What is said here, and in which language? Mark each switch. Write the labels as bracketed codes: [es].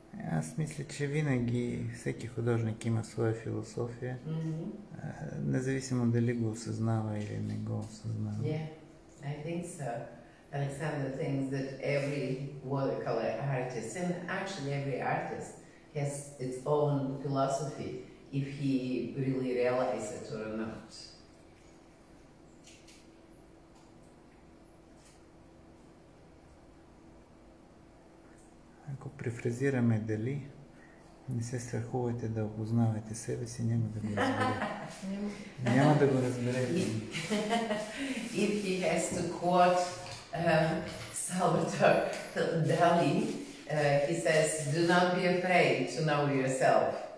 [bg] Аз мисля, че винаги всеки художник има своя философия, независимо дали го осъзнава или не го осъзнава. [en] Yeah, I think so. Alexander thinks that every watercolor artist, and actually every artist, has its own philosophy. If he really realizes it or not. [bg] Ако префразираме дали, не се страхувайте да опознавате себе си, няма да го разберете. Няма да го разберете. [en] If he has to quote Salvador Dali, he says, do not be afraid to know yourself.